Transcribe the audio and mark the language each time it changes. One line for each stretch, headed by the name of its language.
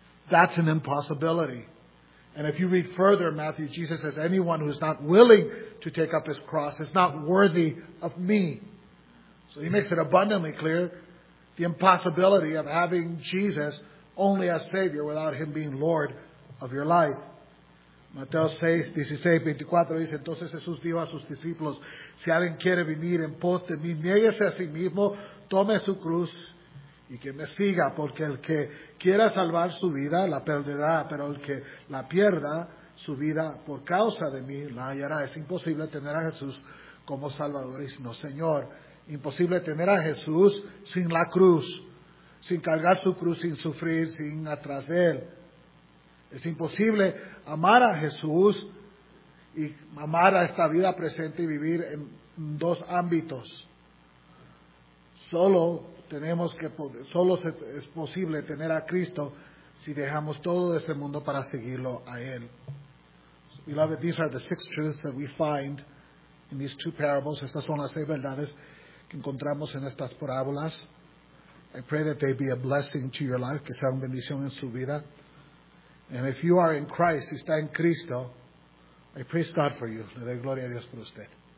English: That's an impossibility. And if you read further in Matthew, Jesus says, anyone who is not willing to take up his cross is not worthy of me. So he makes it abundantly clear the impossibility of having Jesus only as Savior without him being Lord of your life.
Spanish: Mateo 16:24 dice, entonces Jesús dijo a sus discípulos, si alguien quiere venir en pos de mí, niéguese a sí mismo, tome su cruz y que me siga, porque el que quiera salvar su vida la perderá, pero el que la pierda su vida por causa de mí la hallará. Es imposible tener a Jesús como Salvador y no Señor. Imposible tener a Jesús sin la cruz, sin cargar su cruz, sin sufrir, sin atrás de él. Es imposible amar a Jesús y amar a esta vida presente y vivir en dos ámbitos. Solo tenemos que poder, solo es posible tener a Cristo si dejamos todo de este mundo para seguirlo a Él.
English: Beloved, these are the six truths that we find in these two parables.
Spanish: Estas son las seis verdades que encontramos en estas parábolas.
English: I pray that they be a blessing to your life,
Spanish: que sea una bendición en su vida.
English: And if you are in Christ,
Spanish: si está en Cristo,
English: I praise God for you.
Spanish: Le doy gloria a Dios por usted.